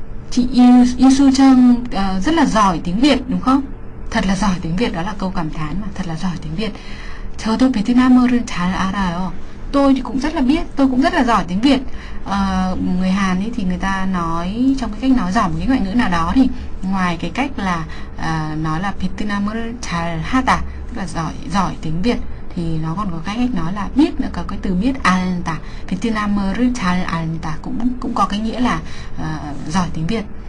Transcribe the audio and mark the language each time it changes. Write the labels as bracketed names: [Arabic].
[Vietnamese] Chị Yisu Trang rất là giỏi tiếng Việt đúng không? Thật là giỏi tiếng Việt, đó là câu cảm thán mà. Thật là giỏi tiếng Việt. [Korean] 저도 베트남어를 잘 알아요. [Vietnamese] Tôi thì cũng rất là biết, tôi cũng rất là giỏi tiếng Việt. Người Hàn ấy thì người ta nói trong cái cách nói giỏi một cái ngoại ngữ nào đó thì ngoài cái cách là nói là [Korean] 베트남어를 잘 하다, [Vietnamese] tức là giỏi giỏi tiếng Việt, thì nó còn có cách nói là biết nữa, có cái từ biết alta, [Korean] Vietnamer chal alta [Vietnamese] cũng cũng có cái nghĩa là giỏi tiếng Việt.